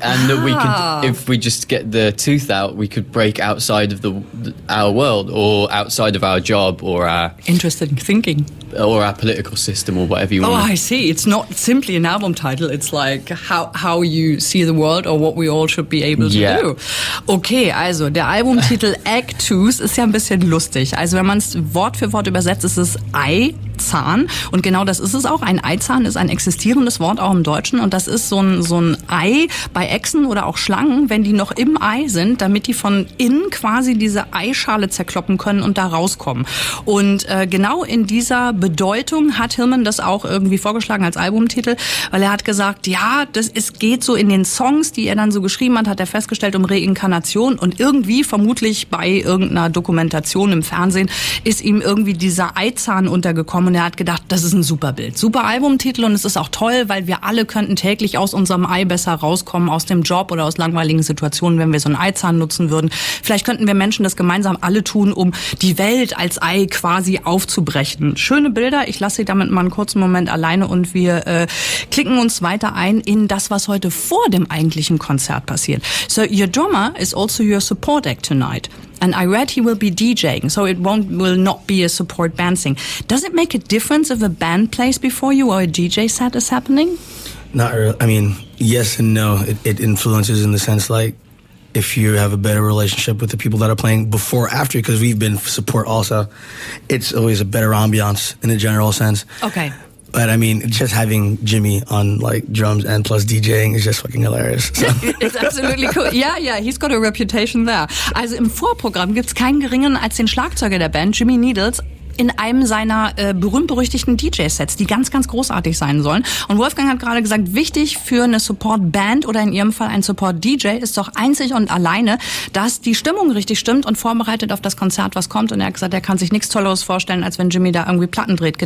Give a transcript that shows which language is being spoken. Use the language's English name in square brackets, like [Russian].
[English] And that we could, if we just get the tooth out, we could break outside of our world, or outside of our job, or our... Interesting thinking. Or our political system, or whatever you want. Oh, I see. It's not simply an album title. It's like how you see the world, or what we all should be able to, do. [German] Okay, also der Albumtitel Egg Tooth ist ja ein bisschen lustig. Also wenn man es Wort für Wort übersetzt, ist es Ei. Zahn. Und genau das ist es auch. Ein Eizahn ist ein existierendes Wort, auch im Deutschen. Und das ist so ein Ei bei Echsen oder auch Schlangen, wenn die noch im Ei sind, damit die von innen quasi diese Eischale zerkloppen können und da rauskommen. Und genau in dieser Bedeutung hat Hillman das auch irgendwie vorgeschlagen als Albumtitel, weil er hat gesagt, ja, es geht so in den Songs, die er dann so geschrieben hat, hat er festgestellt, um Reinkarnation, und irgendwie vermutlich bei irgendeiner Dokumentation im Fernsehen ist ihm irgendwie dieser Eizahn untergekommen. Und er hat gedacht, das ist ein super Bild. Super Albumtitel, und es ist auch toll, weil wir alle könnten täglich aus unserem Ei besser rauskommen, aus dem Job oder aus langweiligen Situationen, wenn wir so einen Eizahn nutzen würden. Vielleicht könnten wir Menschen das gemeinsam alle tun, um die Welt als Ei quasi aufzubrechen. Schöne Bilder. Ich lasse Sie damit mal einen kurzen Moment alleine, und wir klicken uns weiter ein in das, was heute vor dem eigentlichen Konzert passiert. [English] So, your drummer is also your support act tonight. And I read he will be DJing, so it will not be a support band thing. Does it make a difference if a band plays before you, or a DJ set is happening? Not really. I mean, yes and no. It influences in the sense, like, if you have a better relationship with the people that are playing before or after, because we've been support also, it's always a better ambiance in a general sense. Okay. But I mean, just having Jimmy on, like, drums and plus DJing is just fucking hilarious. So. It's absolutely cool. Yeah, yeah, he's got a reputation there. [German] Also im Vorprogramm gibt's keinen geringeren als den Schlagzeuger der Band, Jimmy Needles, in einem seiner berühmt-berüchtigten DJ-Sets, die ganz, ganz großartig sein sollen. Und Wolfgang hat gerade gesagt, wichtig für eine Support-Band oder in ihrem Fall ein Support-DJ ist doch einzig und alleine, dass die Stimmung richtig stimmt und vorbereitet auf das Konzert, was kommt. Und er hat gesagt, er kann sich nichts Tolleres vorstellen, als wenn Jimmy da irgendwie Platten dreht.